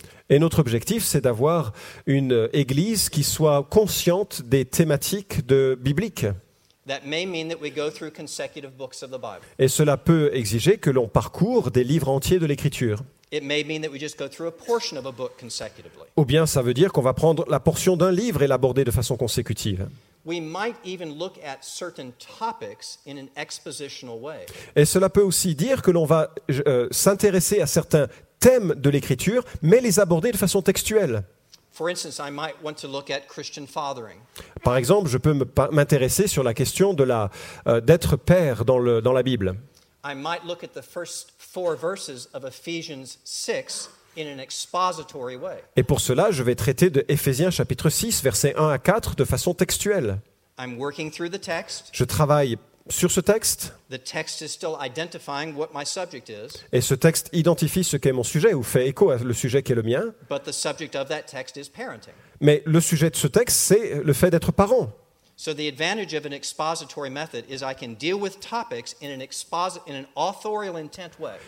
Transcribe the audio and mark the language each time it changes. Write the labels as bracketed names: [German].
[French] Et notre objectif, c'est d'avoir une église qui soit consciente des thématiques bibliques. [English] That may mean that we go through consecutive books of the Bible. [French] Et cela peut exiger que l'on parcourt des livres entiers de l'Écriture. [English] It may mean that we just go through a portion of a book consecutively. [French] Ou bien ça veut dire qu'on va prendre la portion d'un livre et l'aborder de façon consécutive. [English] We might even look at certain topics in an expositional way. [French] Et cela peut aussi dire que l'on va s'intéresser à certains thèmes de l'écriture mais les aborder de façon textuelle. [English] For instance, I might want to look at Christian fathering. [French] Par exemple, je peux m'intéresser sur la question de la d'être père dans le dans la Bible. [English] I might look at the first four verses of Ephesians 6 in an expository way. [French] Et pour cela, je vais traiter de Éphésiens chapitre 6 versets 1 à 4 de façon textuelle. [English] I'm working through the text. [French] Je travaille sur ce texte. [English] The text is still identifying what my subject is. [French] Et ce texte identifie ce qu'est mon sujet ou fait écho à le sujet qui est le mien. [English] But the subject of that text is parenting. [French] Mais le sujet de ce texte, c'est le fait d'être parent. [English] So the advantage of an expository method is I can deal with topics in an authorial intent way.